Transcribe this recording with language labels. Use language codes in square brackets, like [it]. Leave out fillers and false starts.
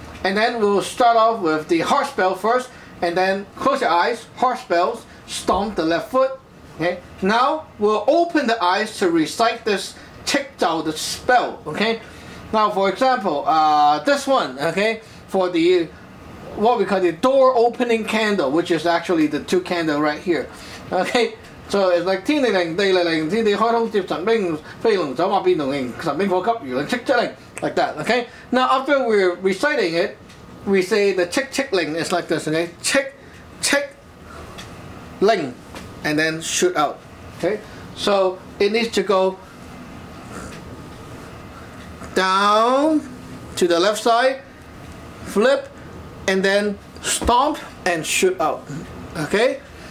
[en] And then we'll start off with the heart spell first, and then close your eyes, heart spells, stomp the left foot, okay? Now, we'll open the eyes to recite this tick out the spell, okay? Now, for example, this one, okay? For the, what we call the door opening candle, which is actually the two candles right here. Okay, so it's like [zh] 天地靈, 地靈, 天地開通接, 神兵, 飛龍, 走馬變龍, 神兵火急, 魚靈, [en] like that, okay? Now after we're reciting it, we say the chick chick ling is like this, okay? Chick chick ling, and then shoot out, okay? So it needs to go down to the left side, flip, and then stomp and shoot out, okay?